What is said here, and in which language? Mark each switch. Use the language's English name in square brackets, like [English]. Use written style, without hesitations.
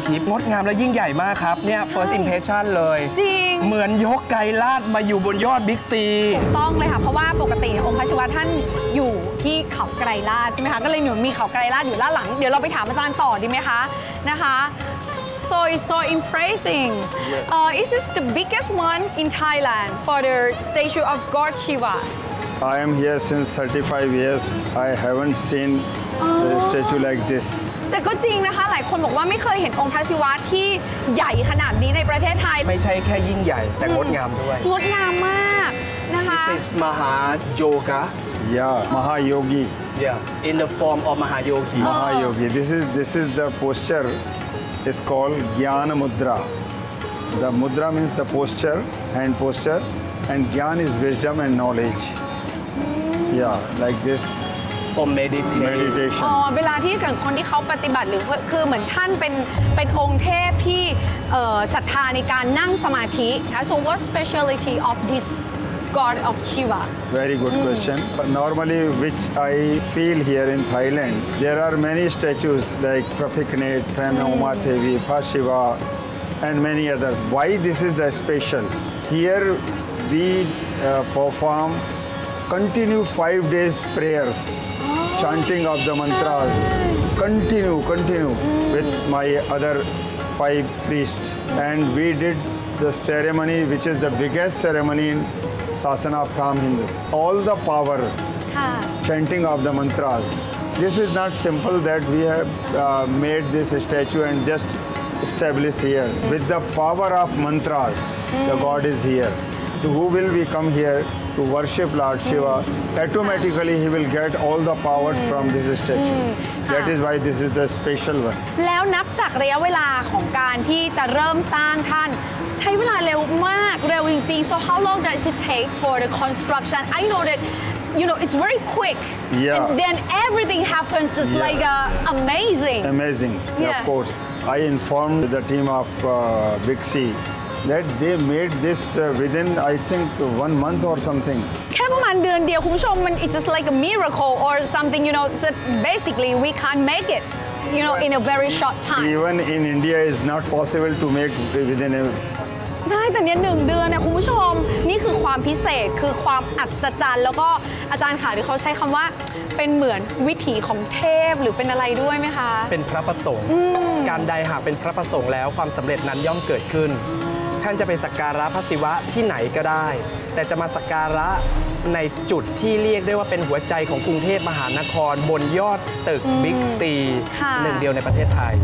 [Thai] งดงามและยิ่งใหญ่มากครับเนี่ย [English] first impression [Thai] เลย จริง เหมือนยกไกลาดมาอยู่บนยอดบิ๊กซี ถูกต้องเลยค่ะเพราะว่าปกติองค์พระศิวะท่านอยู่ที่เขาไกลาดใช่ไหมคะก็เลยหนูมีเขาไกลาดอยู่ด้านหลังเดี๋ยวเราไปถามอาจารย์ต่อดีไหมคะนะคะ [English] so impressing yes. Is this the biggest one in Thailand for the statue of God Shiva I am here since 35 years I haven't seen statue like this [Thai] แต่ก็จริงนะคะหลายคนบอกว่าไม่เคยเห็นองค์พระศิวะที่ใหญ่ขนาดนี้ในประเทศไทย ไม่ใช่แค่ยิ่งใหญ่แต่งดงามด้วย งดงามมากนะคะ [English] This is Mahayoga Yeah Mahayogi Yeah in the form of Mahayogi Mahayogi this is the posture is called Gyan Mudra The mudra means the posture hand posture and Gyan is wisdom and knowledge Yeah like this for meditation [Thai] เวลาที่คนที่เขาปฏิบัติหรือคือเหมือนท่านเป็นองค์เทพที่ศรัทธาในการนั่งสมาธิค่ะ [English] so what speciality of this god of Shiva very good question but normally which I feel here in Thailand there are many statues like Prapiknet Pranoma Devi Parshiva and many others why this is special here we performcontinue 5 days prayers chanting of the mantras continue with my other 5 priests and we did the ceremony which is the biggest ceremony in Sasana of Tham Hindu all the power chanting of the mantras this is not simple that we have made this statue and just established here with the power of mantras the god is here so who will we come hereTo worship Lord Shiva, automatically he will get all the powers from this statue. That is why this is the special one. [Thai] แล้วนับจากระยะเวลาของการที่จะเริ่มสร้างท่านใช้เวลาเร็วมากเร็วจริงๆ [English] So how long does it take for the construction? I know that you know it's very quick. Yeah. And then everything happens just yeah. like amazing. Amazing. Yeah. Of course, I informed the team of Big C. That they made this within I think 1 month or something. [Thai] แค่ประมาณเดือนเดียวคุณผู้ชมมัน [English] it's just like a miracle or something you know. So basically we can't make it, you know, in a very short time. Even in India is not possible to make within a. [Thai] ใช่แต่เนี่ย1เดือนนะคุณผู้ชมนี่คือความพิเศษคือความอัศจรรย์แล้วก็อาจารย์ขาที่เขาใช้คำว่าเป็นเหมือนวิถีของเทพหรือเป็นอะไรด้วยไหมคะ เป็นพระประสงค์ การใดหากเป็นพระประสงค์แล้วความสำเร็จนั้นย่อมเกิดขึ้น่านจะไปสักการะพระศิวะที่ไหนก็ได้แต่จะมาสักการะในจุดที่เรียกได้ว่าเป็นหัวใจของกรุงเทพมหานครบนยอดตึกบิ๊กซีหนึ่งเดียวในประเทศไทย